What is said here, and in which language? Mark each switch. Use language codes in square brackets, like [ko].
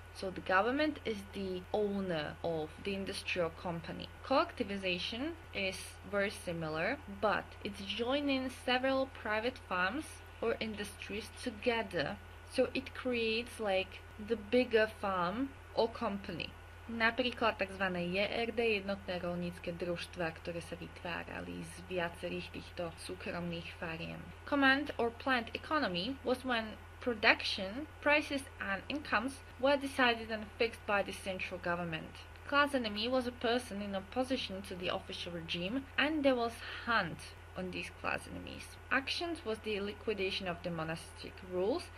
[en] So the government is the owner of the industry or company. Collectivization is very similar, but it's joining several private farms or industries together. So it creates like the bigger farm or company. [sk] Napríklad tzv. JRD, jednotné roľnícke družstva, ktoré sa vytvárali z viacerých týchto súkromných fariem. [en] Command or plant economy was when production, prices and incomes were decided and fixed by the central government. Class enemy was a person in opposition to the official regime and there was hunt on these class enemies. Actions was the liquidation of the monastic rules.